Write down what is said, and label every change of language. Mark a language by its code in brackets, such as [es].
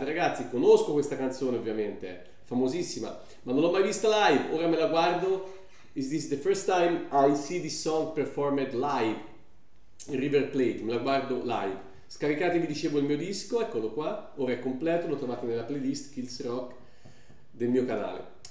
[it] Ragazzi, conosco questa canzone ovviamente, famosissima, ma non l'ho mai vista live. Ora me la guardo. [en] Is this the first time I see this song performed live in River Plate? [it] Me la guardo live. Scaricatevi, dicevo, il mio disco, eccolo qua, ora è completo, lo trovate nella playlist Kills Rock del mio canale.